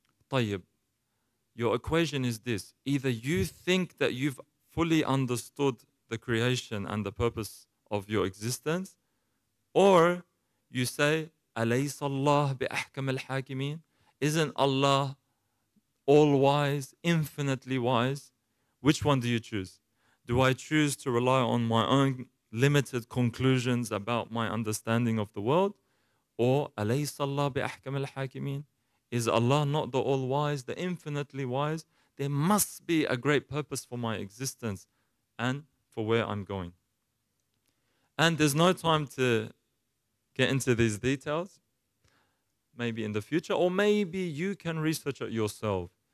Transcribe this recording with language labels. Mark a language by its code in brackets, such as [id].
[en] طيب, your equation is this. Either you think that you've fully understood the creation and the purpose of your existence, or you say, [ar] أليس الله بأحكم الحاكمين? [en] Isn't Allah all-wise, infinitely wise? Which one do you choose? Do I choose to rely on my own limited conclusions about my understanding of the world? [ar] Or أليس الله بأحكم الحاكمين? [en] Is Allah not the all-wise, the infinitely wise? There must be a great purpose for my existence and for where I'm going. And there's no time to get into these details. Maybe in the future, or maybe you can research it yourself.